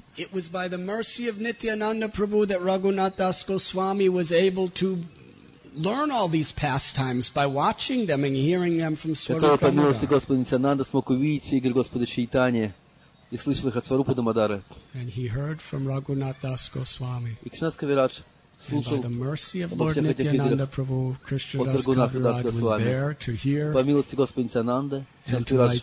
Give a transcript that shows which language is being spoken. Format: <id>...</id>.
<en>It was by the mercy of Nityananda Prabhu that Raghunath Das Goswami was able to learn all these pastimes by watching them and hearing them from Swarupa Madara.</en> <ru>Которого по милости Господа Нитьянанда смог увидеть фигуры Господа Чайтаньи и слышал их от Сварупы Дамодары.</ru> <en>And he heard from Raghunath Das Goswami.</en> <ru>И Кришнадас Кавирадж.</ru> <en>And by the mercy of Lord Nityananda Prabhu, Krishnadas Kaviraj was there to hear and to write</en>